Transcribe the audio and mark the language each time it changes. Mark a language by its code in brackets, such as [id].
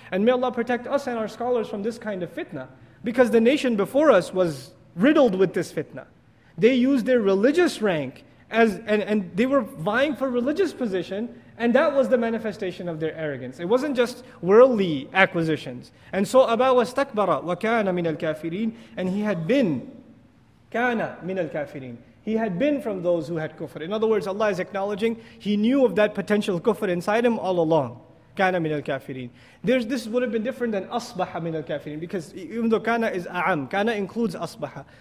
[en] And may Allah protect us and our scholars from this kind of fitna. Because the nation before us was riddled with this fitna. They used their religious rank, and they were vying for religious position, and that was the manifestation of their arrogance. It wasn't just worldly acquisitions. And so, [ar] أَبَا وَاسْتَكْبَرَ وَكَانَ مِنَ الْكَافِرِينَ. [en] And he had been, [ar] كَانَ مِنَ الْكَافِرِينَ. [en] He had been from those who had kufr. In other words, Allah is acknowledging he knew of that potential kufr inside him all along. Kana min al kafirin. This would have been different than asbaha min al kafirin, because even though kana is a'am, kana includes asbaha.